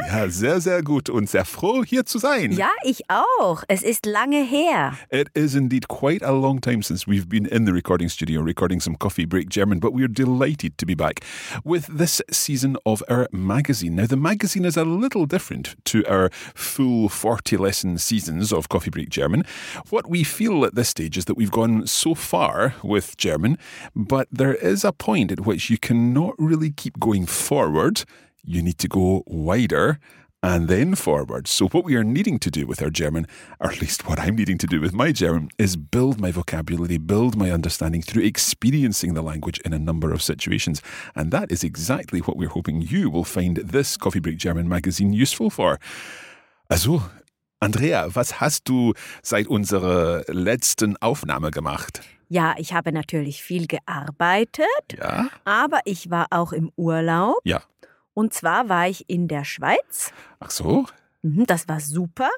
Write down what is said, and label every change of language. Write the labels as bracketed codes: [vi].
[de] Ja, sehr, sehr gut und sehr froh, hier zu sein. Ja, ich auch. Es ist lange her. [en] It is indeed quite a long time since we've been in the recording studio recording some Coffee Break German, but we're delighted to be back with this season of our magazine. Now, the magazine is a little different to our full 40-lesson seasons of Coffee Break German. What we feel at this stage is that we've gone so far with German, but there is a point at which you cannot really keep going forward. You need to go wider and then forward. So what we are needing to do with our German, or at least what I'm needing to do with my German, is build my vocabulary, build my understanding through experiencing the language in a number of situations. And that is exactly what we're hoping you will find this Coffee Break German magazine useful for. [de] Also, Andrea, was hast du seit unserer letzten Aufnahme gemacht? Ja, ich habe natürlich viel gearbeitet, ja. Aber ich war auch im Urlaub. Ja. Und zwar war ich in der Schweiz. Ach so. Das war super.